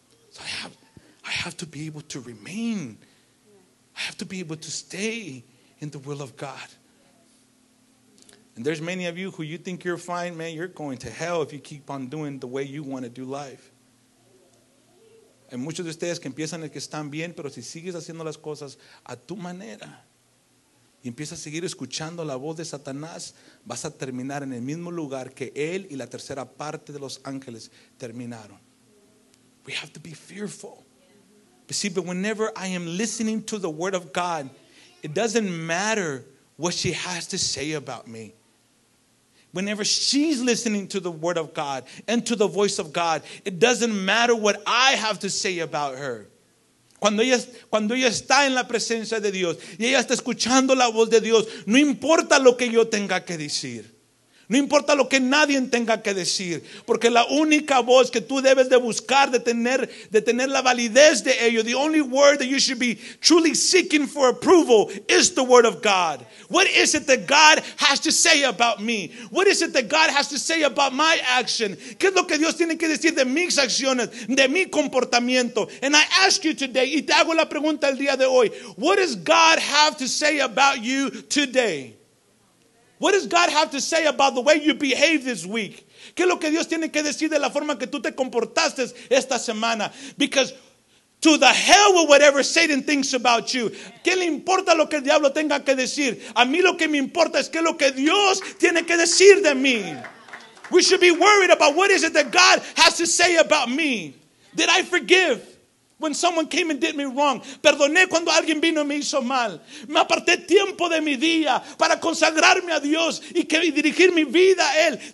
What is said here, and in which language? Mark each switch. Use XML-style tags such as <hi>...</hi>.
<en>So I have to be able to remain. I have to be able to stay in the will of God. And there's many of you who you think you're fine, man, you're going to hell if you keep on doing the way you want to do life.</en> <es>Hay muchos de ustedes que empiezan que están bien, pero si sigues haciendo las cosas a tu manera y empiezas a seguir escuchando la voz de Satanás, vas a terminar en el mismo lugar que él y la tercera parte de los ángeles terminaron.</es> <en>We have to be fearful. But see, but whenever I am listening to the word of God, it doesn't matter what she has to say about me. Whenever she's listening to the word of God and to the voice of God, it doesn't matter what I have to say about her.</en> <es>Cuando ella está en la presencia de Dios y ella está escuchando la voz de Dios, no importa lo que yo tenga que decir. No importa lo que nadie tenga que decir, porque la única voz que tú debes de buscar, de tener la validez de ello,</es> <en>the only word that you should be truly seeking for approval is the word of God. What is it that God has to say about me? What is it that God has to say about my action?</en> <es>¿Qué es lo que Dios tiene que decir de mis acciones, de mi comportamiento?</es> <en>And I ask you today,</en> <es>y te hago la pregunta el día de hoy,</es> <en>what does God have to say about you today? What does God have to say about the way you behave this week?</en> <es>¿Qué es lo que Dios tiene que decir de la forma que tú te comportaste esta semana?</es> <en>Because to the hell with whatever Satan thinks about you.</en> <es>¿Qué le importa lo que el diablo tenga que decir? A mí lo que me importa es qué es lo que Dios tiene que decir de mí.</es> <en>We should be worried about what is it that God has to say about me. Did I forgive? When someone came and did me wrong.</en> <es>Perdoné cuando alguien vino y me hizo mal. Me aparté tiempo de mi día para consagrarme a Dios y dirigir mi vida a Él.</es>